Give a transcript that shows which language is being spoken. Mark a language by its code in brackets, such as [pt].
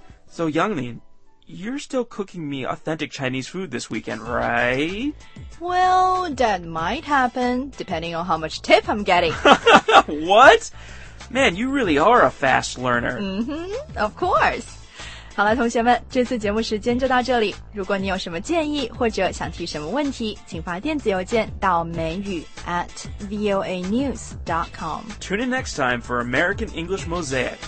[en] So Yanglin, you're still cooking me authentic Chinese food this weekend, right? Well, that might happen, depending on how much tip I'm getting. What? Man, you really are a fast learner. Mm-hmm, of course. [zh] 好了，同学们，这次节目时间就到这里。如果你有什么建议或者想提什么问题，请发电子邮件到美语@voanews.com. [en] Tune in next time for American English Mosaic.